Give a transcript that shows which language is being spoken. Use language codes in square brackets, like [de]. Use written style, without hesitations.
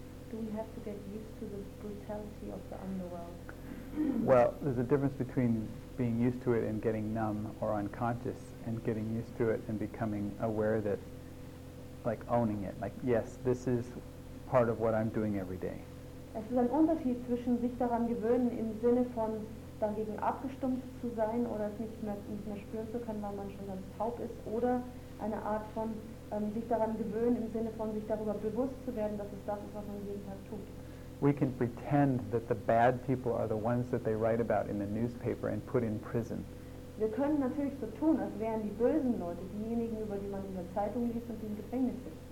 [en] Do we have to get used to the brutality of the underworld? Well, there's a difference between being used to it and getting numb or unconscious, and getting used to it and becoming aware that, like owning it, like yes, this is part of what I'm doing every day. [de] Es ist ein Unterschied zwischen sich daran gewöhnen im Sinne von dagegen abgestumpft zu sein oder es nicht mehr spüren zu können, weil man schon ganz taub ist, oder eine Art von sich daran gewöhnen im Sinne von sich darüber bewusst zu werden, dass es das ist, was man jeden Tag tut. [en] We can pretend that the bad people are the ones that they write about in the newspaper and put in prison. [de] Wir können natürlich so tun, als wären die bösen Leute diejenigen, über die man in der Zeitung liest und die im Gefängnis sind.